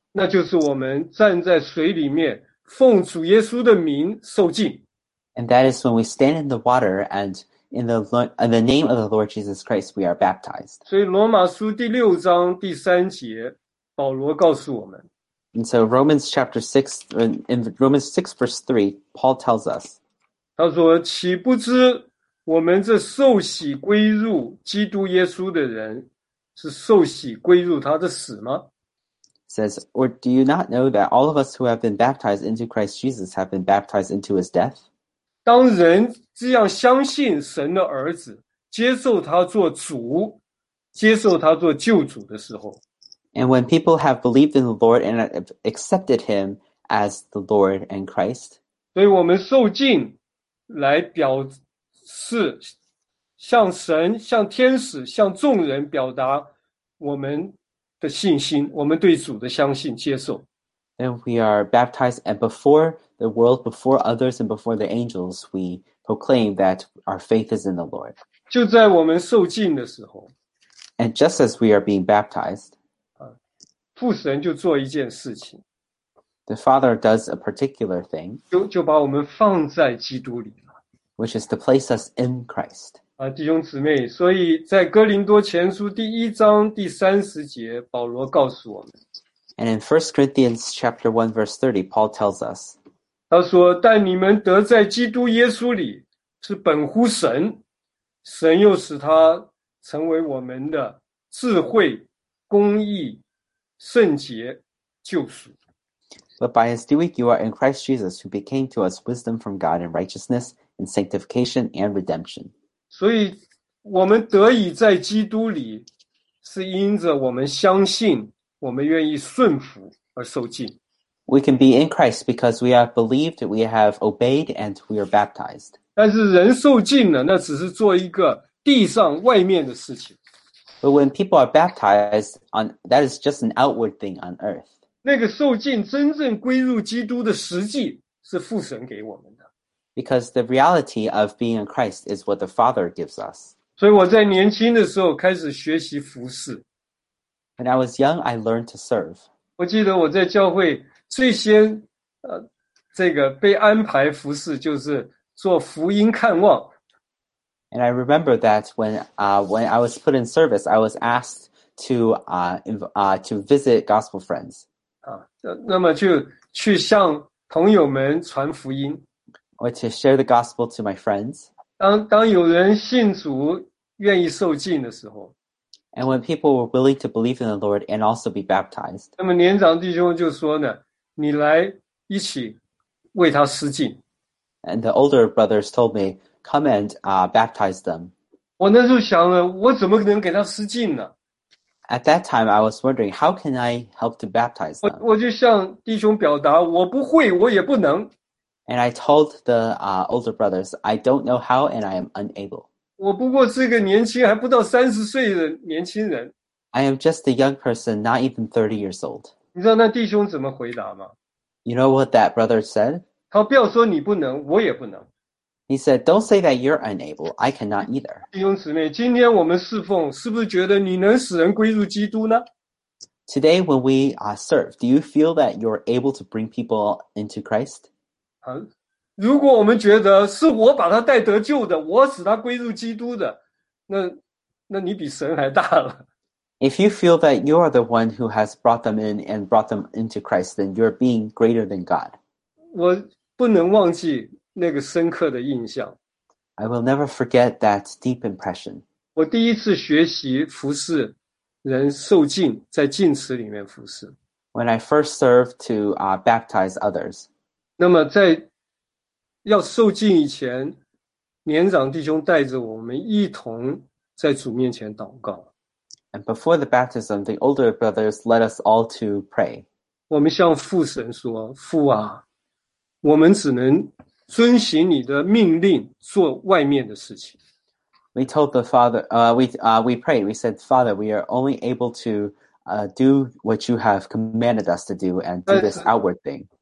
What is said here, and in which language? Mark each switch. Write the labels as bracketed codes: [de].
[zh] 那就是我们站在水里面，奉主耶稣的名受浸。 [en] And that is when we stand in the water and in the name of the Lord Jesus Christ we are baptized. [zh] 所以罗马书第六章第三节，保罗告诉我们。 [en] And so Romans chapter 6, in Romans 6 verse 3, Paul tells us, [zh] 他说，岂不知我们这受洗归入基督耶稣的人，是受洗归入他的死吗？ [en] He says, or do you not know that all of us who have been baptized into Christ Jesus have been baptized into his death? [zh] 当人这样相信神的儿子，接受他做主，接受他做救主的时候， [en] And when people have believed in the Lord and accepted him as the Lord and Christ, [zh] 所以我们受浸来表示向神、向天使、向众人表达我们的信心，我们对主的相信、接受。 [en] And we are baptized, and before the world, before others, and before the angels, we proclaim that our faith is in the Lord. [zh] 就在我们受浸的时候， [en] And just as we are being baptized, [zh] 父神就做一件事情。 [en] The Father does a particular thing, [zh] 就把我们放在基督里了， [en] which is to place us in Christ. [zh] 弟兄姊妹，所以在哥林多前书第一章第三十节，保罗告诉我们。 [en] And in 1 Corinthians chapter 1 verse 30, Paul tells us, [zh] 他说，但你们得在基督耶稣里，是本乎神，神又使他成为我们的智慧、公义、圣洁、救赎。 [en] But by his doing, you are in Christ Jesus, who became to us wisdom from God and righteousness and sanctification and redemption. [zh] 所以我们得以在基督里，是因着我们相信，我们愿意顺服而受浸。 [en] We can be in Christ because we have believed, we have obeyed, and we are baptized. [zh] 但是人受浸了，那只是做一个地上外面的事情。 [en] But when people are baptized, that is just an outward thing on earth. [zh] 那个受浸真正归入基督的实际是父神给我们的。 [en] Because the reality of being in Christ is what the Father gives us. [zh] 所以我在年轻的时候开始学习服事。 [en] When I was young, I learned to serve. [zh] 我记得我在教会最先这个被安排服事就是做福音看望。 [en] And I remember that when I was put in service, I was asked to visit gospel friends. [zh] 那么就去向朋友们传福音 [en] or to share the gospel to my friends. [zh] 当有人信主愿意受浸的时候 [en] and when people were willing to believe in the Lord and also be baptized. [zh] 那么年长弟兄就说呢，你来一起为他施浸 [en] and the older brothers told me, come and baptize them. [zh] 我那时候想了，我怎么能给他施浸呢？ [en] At that time, I was wondering, how can I help to baptize them? [zh] 我就向弟兄表达，我不会，我也不能。 [en] And I told the older brothers, I don't know how and I am unable. [zh] 我不过是个年轻，还不到三十岁的年轻人。 [en] I am just a young person, not even 30 years old. [zh] 你知道那弟兄怎么回答吗？ [en] You know what that brother said? [zh] 他不要说你不能，我也不能。 [en] He said, don't say that you're unable, I cannot either. [zh] 弟兄姊妹，今天我们侍奉，是不是觉得你能使人归入基督呢？ [en] Today, when we serve, do you feel that you're able to bring people into Christ? [zh] 如果我们觉得是我把他带得救的，我使他归入基督的，那你比神还大了。 [en] If you feel that you are the one who has brought them in and brought them into Christ, then you're being greater than God. [zh] 我不能忘记那个深刻的印象。 [en] I will never forget that deep impression. [zh] 我第一次学习服侍人受浸，在浸池里面服侍。 [en] When I first served to baptize others. [zh] 那么在要受浸以前，年长弟兄带着我们一同在主面前祷告。 [en] And before the baptism, the older brothers led us all to pray. [zh] 我们向父神说，父啊，我们只能遵循你的命令做外面的事情。 [en] We told the Father, we prayed, we said, Father, we are only able to do what you have commanded us to do and do this outward thing.